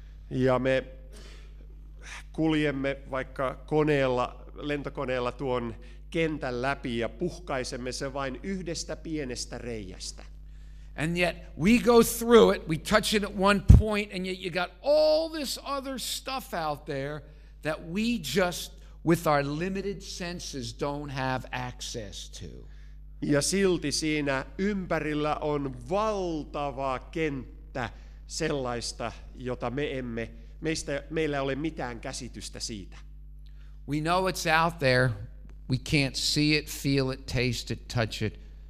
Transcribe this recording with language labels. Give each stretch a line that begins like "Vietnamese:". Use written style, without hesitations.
Finnish: Ja me kuljemme vaikka koneella, lentokoneella tuon kentän läpi ja puhkaisemme se vain yhdestä pienestä reiästä.
English: And yet we go through it, we touch it at one point, and yet you got all this other stuff out there that we just, with our limited senses, don't have access to.
Finnish: Ja silti siinä ympärillä on valtava kenttä sellaista, jota me emme, meistä, meillä ei ole mitään käsitystä siitä.
English: We know it's out there. We can't see it, feel it, taste it, touch it.